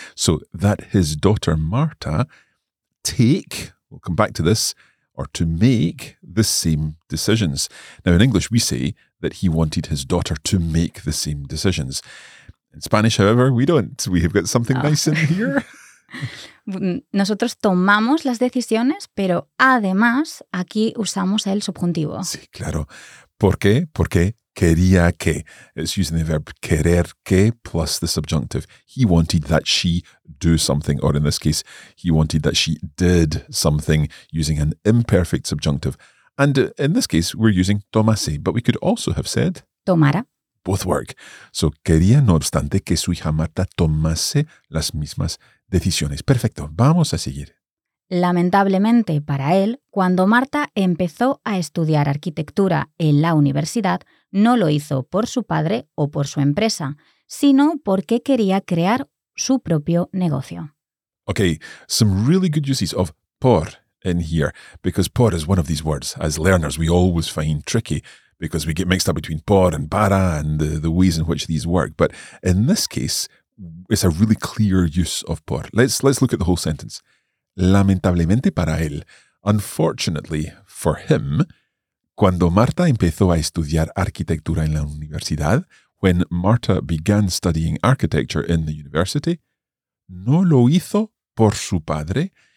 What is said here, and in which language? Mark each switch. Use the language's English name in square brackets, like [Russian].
[English] So that his daughter Marta take, we'll come back to this, or to make the same decisions. Now in English we say that he wanted his daughter to make the same decisions. In Spanish, however, we don't. We have got something nice in here. [Spanish] Nosotros tomamos las decisiones, pero además aquí usamos el subjuntivo. Sí, claro. ¿Por qué? Porque quería que. [English] It's using the verb querer que plus the subjunctive. He wanted that she do something, or in this case, he wanted that she did something using an imperfect subjunctive. And in this case, we're using tomase, but we could also have said [Spanish] tomara. [English] Both work. [Spanish] So, quería, no obstante, que su hija Marta tomase las mismas decisiones. Perfecto. Vamos a seguir. Lamentablemente para él, cuando Marta empezó a estudiar arquitectura en la universidad, no lo hizo por su padre o por su empresa, sino porque quería crear su propio negocio. [English] Okay, some really good uses of por in here, because por is one of these words. As learners, we always find tricky, because we get mixed up between por and para and the ways in which these work. But in this case, it's a really clear use of por. Let's look at the whole sentence. [Spanish] Lamentablemente para él, [English] unfortunately for him, [Spanish] cuando Marta empezó a estudiar arquitectura en la universidad, [English] when Marta began studying architecture in the university, [Spanish] no lo hizo por su padre.